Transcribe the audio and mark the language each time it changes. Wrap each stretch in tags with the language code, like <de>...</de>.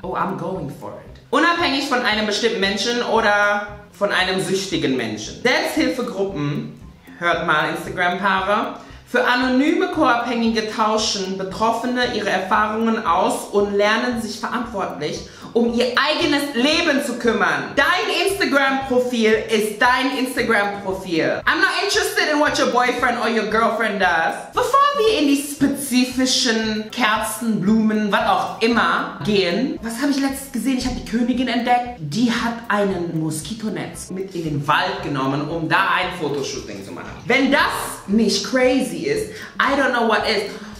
<en>Oh, I'm going for it.</en> <de>Unabhängig von einem bestimmten Menschen oder von einem süchtigen Menschen. Selbsthilfegruppen, hört mal Instagram-Paare, für anonyme Co-Abhängige tauschen Betroffene ihre Erfahrungen aus und lernen sich verantwortlich, um ihr eigenes Leben zu kümmern. Dein Instagram-Profil ist dein Instagram-Profil.</de> <en>I'm not interested in what your boyfriend or your girlfriend does.</en> <de>Bevor wir in die spezifischen Kerzen, Blumen, was auch immer gehen, was habe ich letztens gesehen? Ich habe die Königin entdeckt. Die hat einen Moskitonetz mit in den Wald genommen, um da ein Fotoshooting zu machen. Wenn das nicht crazy ist,</de> <en>I don't know what is.</en>